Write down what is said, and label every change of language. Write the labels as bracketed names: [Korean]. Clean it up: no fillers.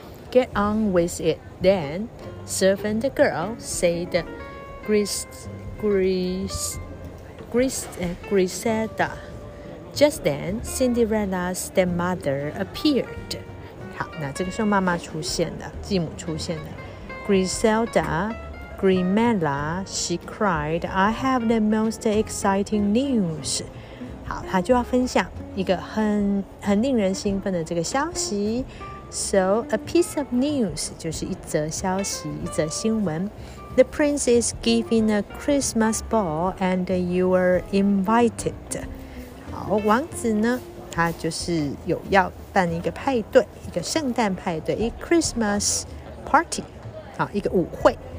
[English] get on with it. Then, servant girl said, Griselda. Just then, Cinderella's stepmother appeared. [Chinese] 好，那这个时候妈妈出现了，继母出现了。 [English] Griselda, Grimella, she cried, I have the most exciting news. [Chinese] 好，她就要分享一个很令人兴奋的这个消息。 [English] So, a piece of news, [Chinese] 就是一则消息，一则新闻。 [English] The prince is giving a Christmas ball and you are invited. [Chinese] 好，王子呢，他就是有要办一个派对，一个圣诞派对，一个 Christmas party, 好，一个舞会。